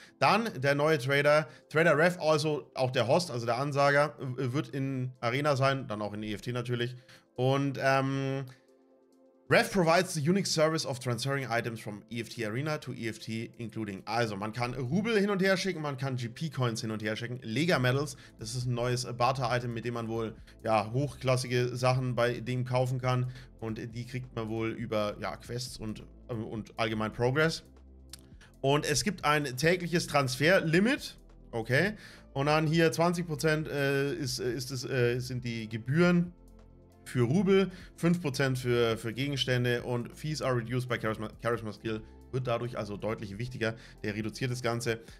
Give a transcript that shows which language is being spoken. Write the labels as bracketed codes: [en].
[de] Dann der neue Trader Ref, also auch der Host, also der Ansager, wird in Arena sein, dann auch in EFT natürlich. Und [en] Ref provides the unique service of transferring items from EFT Arena to EFT including. [de] Also man kann Rubel hin und her schicken, man kann GP Coins hin und her schicken, Lega Medals, das ist ein neues Barter Item, mit dem man wohl ja hochklassige Sachen bei dem kaufen kann und die kriegt man wohl über ja Quests und allgemein Progress. Und es gibt ein tägliches Transferlimit, okay, und dann hier 20% sind die Gebühren für Rubel, 5% für Gegenstände und [en] Fees are reduced by Charisma Skill, [de] wird dadurch also deutlich wichtiger, der reduziert das Ganze.